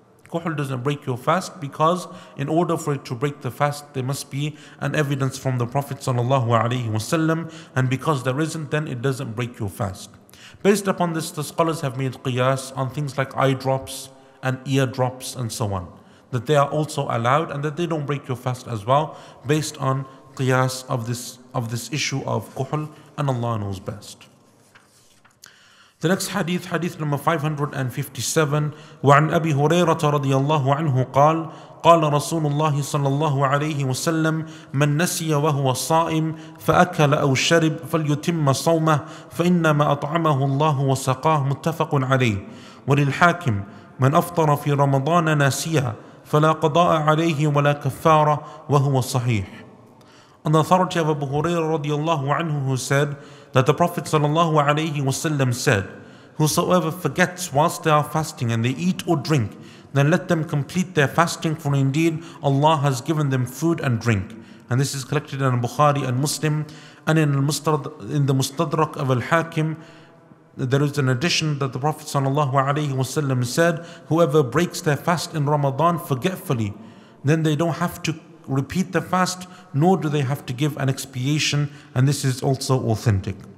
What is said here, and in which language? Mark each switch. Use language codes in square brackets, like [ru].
[en] Kuhul doesn't break your fast because in order for it to break the fast, there must be an evidence from the Prophet sallallahu alaihi wasallam, and because there isn't, then it doesn't break your fast. Based upon this, the scholars have made qiyas on things like eye drops and ear drops and so on, that they are also allowed and that they don't break your fast as well, based on qiyas of this issue of kuhul, and Allah knows best. The next hadith, hadith number 557, [ar] وعن أبي هريرة رضي الله عنه قال قال رسول الله صلى الله عليه وسلم من نسي وهو صائم فأكل أو شرب فليتم صومه فإنما أطعمه الله وسقاه متفق عليه وللحاكم من أفطر في رمضان ناسيا فلا قضاء عليه ولا كفارة وهو صحيح. [en] On the authority of Abu Hurairah radiallahu anhu, who said that the Prophet sallallahu alayhi wasallam said, whosoever forgets whilst they are fasting and they eat or drink, then let them complete their fasting, for indeed Allah has given them food and drink. And this is collected in Bukhari and Muslim, and in the Mustadrak of Al-Hakim, there is an addition that the Prophet sallallahu alayhi wasallam said, whoever breaks their fast in Ramadan forgetfully, then they don't have to repeat the fast, nor do they have to give an expiation, and this is also authentic.